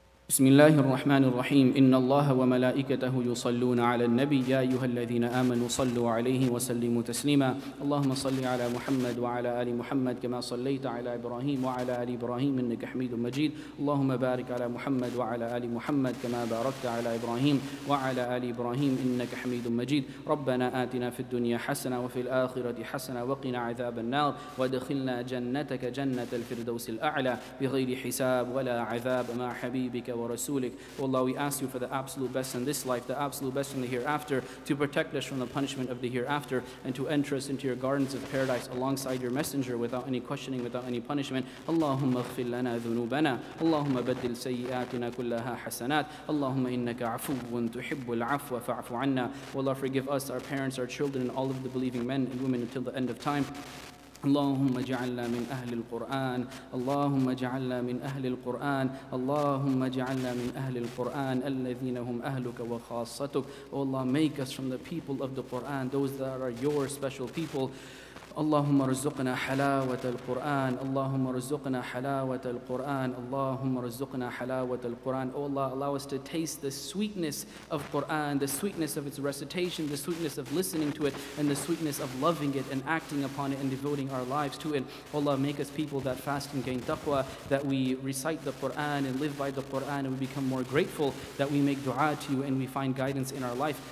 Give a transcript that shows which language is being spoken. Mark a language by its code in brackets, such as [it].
[ar] بسم الله الرحمن الرحيم إن الله وملائكته يصلون على النبي يا أيها الذين آمنوا صلوا عليه وسلموا تسليما اللهم صل على محمد وعلى آل محمد كما صليت على إبراهيم وعلى آل إبراهيم إنك حميد مجيد اللهم بارك على محمد وعلى آل محمد كما باركت على إبراهيم وعلى آل إبراهيم إنك حميد مجيد ربنا آتنا في الدنيا حسنة وفي الآخرة حسنة وقنا عذاب النار وادخلنا جنتك جنة الفردوس الأعلى بغير حساب ولا عذاب مع حبيبك ورسولك. [en] Oh Allah, we ask you for the absolute best in this life, the absolute best in the hereafter, to protect us from the punishment of the hereafter, and to enter us into your gardens of paradise alongside your messenger without any questioning, without any punishment. [ar] اللهم اغفر لنا ذنوبنا اللهم بدل سيئاتنا كلها حسنات اللهم إنك عفو تحب العفو فاعف عنا. [en] Oh Allah, forgive us, our parents, our children, and all of the believing men and women until the end of time. [ar] اللهم اجعلنا من أهل القرآن اللهم اجعلنا من أهل القرآن اللهم اجعلنا من أهل القرآن الذين هم أهلك وخاصتك. [en] Oh Allah, make us from the people of the Quran, those that are your special people. [ar] اللهم ارزقنا حلاوة القرآن اللهم ارزقنا حلاوة القرآن اللهم ارزقنا حلاوة القرآن. [en] Oh Allah, allow us to taste the sweetness of Quran, the sweetness of its recitation, the sweetness of listening to it, and the sweetness of loving it and acting upon it and devoting our lives to it. Oh Allah, make us people that fast and gain taqwa, that we recite the Quran and live by the Quran, and we become more grateful, that we make dua to you and we find guidance in our life.